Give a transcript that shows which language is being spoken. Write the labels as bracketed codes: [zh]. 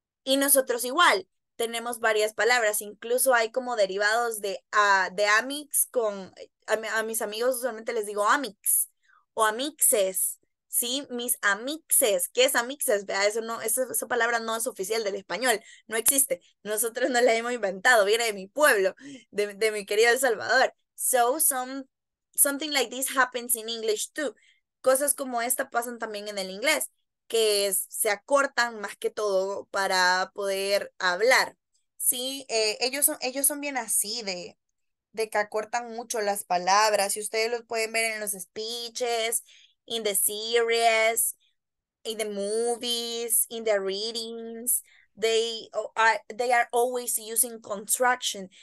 [es] Y nosotros igual tenemos varias palabras. Incluso hay como derivados de amics con a mis amigos usualmente les digo amics o amixes. Sí, mis amixes. ¿Qué es amixes? Vea, eso no, esa palabra no es oficial del español. No existe. Nosotros no la hemos inventado. Viene de mi pueblo, de mi querido El Salvador. [en] So, something like this happens in English too. [es] Cosas como esta pasan también en el inglés, que es, se acortan más que todo para poder hablar. Sí, ellos son bien así de que acortan mucho las palabras. Y ustedes los pueden ver en los speeches, [en] in the series, in the movies, in the readings, they are always using contraction.